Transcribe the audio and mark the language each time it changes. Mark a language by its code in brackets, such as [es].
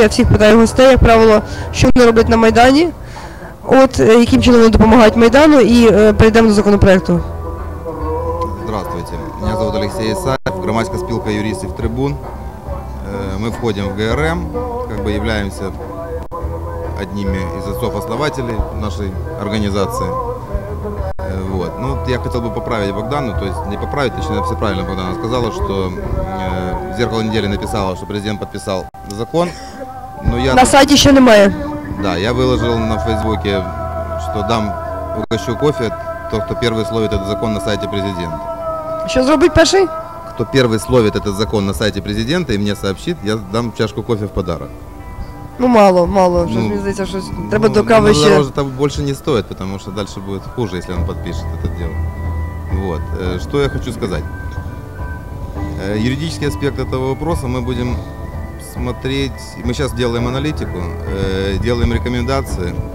[uk] Я всіх питаю гостей, як правило, що вони роблять на Майдані, от яким чином вони допомагають Майдану, і перейдемо до законопроекту. Здравствуйте, мене звати Олексій Ісаєв, громадська спілка юристів «Трибун». Ми входимо в ГРМ, як би являємося одними із отців-основателів нашої організації. Вот. [ru] Ну, я хотел бы поправить Богдану, то есть не поправить, точнее, все правильно Богдана сказала, что «Зеркало недели» написало, что президент подписал закон. Но я, на сайте еще [uk] немає. [ru] Да, я выложил на Фейсбуке, что дам угощу кофе, тот, кто первый словит этот закон на сайте президента. Что сделать первый? Кто первый словит этот закон на сайте президента и мне сообщит, я дам чашку кофе в подарок. Ну, мало, мало. [uk] Ну, мені здається, що треба до кави ще. Дороже там більше не стоїть, тому що далі буде [ru] хуже, [uk] якщо він підпише це діло. Вот. Що я хочу сказати? Юридичний аспект цього питання ми будемо [ru] смотреть. [uk] Ми зараз робимо аналітику, робимо рекомендації.